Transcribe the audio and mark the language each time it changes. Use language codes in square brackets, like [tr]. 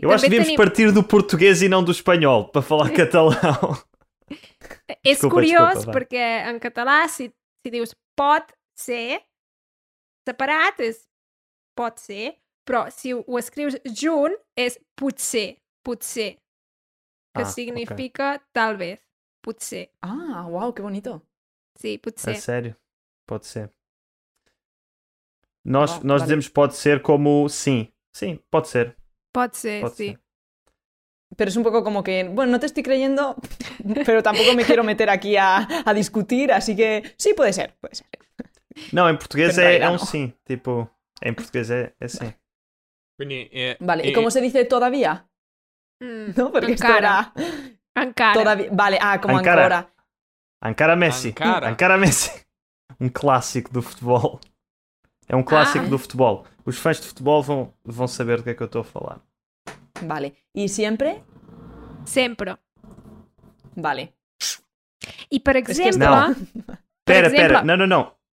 [pt] eu acho que devíamos partir do português e não do espanhol para falar catalão. [ca] És curiós desculpa, perquè en català si dius pot ser separat és pot ser, però si ho escrius junt és potser, potser. Que significa tal vez, potser. [pt] Ah, uau, que bonito. [ca] Sí, potser. [pt] A sério, pot ser. Nós vale. Dizemos pot ser como sim. Sim, pot ser. [ca] Pot ser, pot sí. Ser. [es] Pero es un poco como que, bueno, no te estoy creyendo, pero tampoco me quiero meter aquí a discutir, así que sí, puede ser, puede ser. No, en portugués es un sí, tipo, en portugués es sí. [it] Quindi, [es] vale, ¿y cómo se dice todavía? No, porque [ca] encara. Encara. [es] Todavía, vale, ah, como ancora. [it] Ancora Messi. Ancora Messi. [es] Un clásico do futbol. [pt] É um clássico do futebol. Os fãs de futebol vão saber do que é que eu estou a falar. Vale. E sempre? Sempre. Vale. E por exemplo... Não. Pera, pera. Não, não, não.